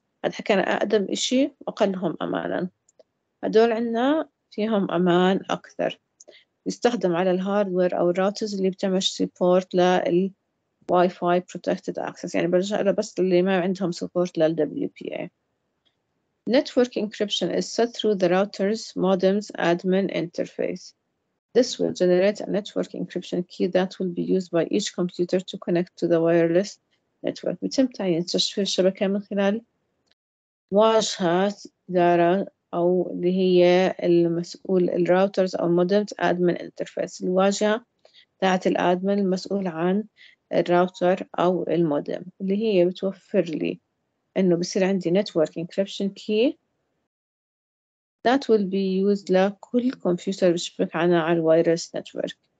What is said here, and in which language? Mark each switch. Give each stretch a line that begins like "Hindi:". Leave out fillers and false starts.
Arabic: هذا حكينا أقدم إشي وأقلهم أماناً. هدول عنا فيهم أمان أكثر، يستخدم على الهاردوير أو الراوترز اللي بتعمل سبورت لل Wi-Fi Protected Access، يعني برجع له بس اللي ما عندهم سبورت لل WPA.
English: Network Encryption is set through the router's modem's admin interface. This will generate a network encryption key that will be used by each computer to connect to the wireless network.
Arabic: بتم تعيين تشفير الشبكة من خلال واجهة إدارة أو اللي هي المسؤول الراوترز أو المودمز أدمن إنترفيس، الواجهة بتاعت الأدمن المسؤول عن الراوتر أو المودم، اللي هي بتوفر لي إنه بصير عندي نتورك إنكريبشن كي
English: that will be used
Arabic: لكل كمبيوتر بشبك عنا على الوايرلس نتورك.